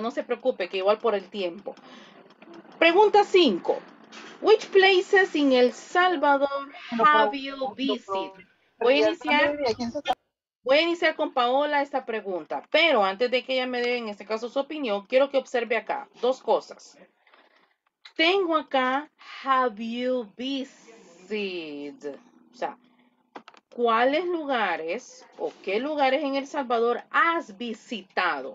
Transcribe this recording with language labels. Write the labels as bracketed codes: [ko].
[es] No se preocupe, que igual por el tiempo. Pregunta 5. [en] Which places in El Salvador have you visited? [es] Voy a iniciar con Paola esta pregunta. Pero antes de que ella me dé en este caso su opinión, quiero que observe acá dos cosas. Tengo acá, [en] have you visited? [es] O sea, ¿cuáles lugares o qué lugares en El Salvador has visitado?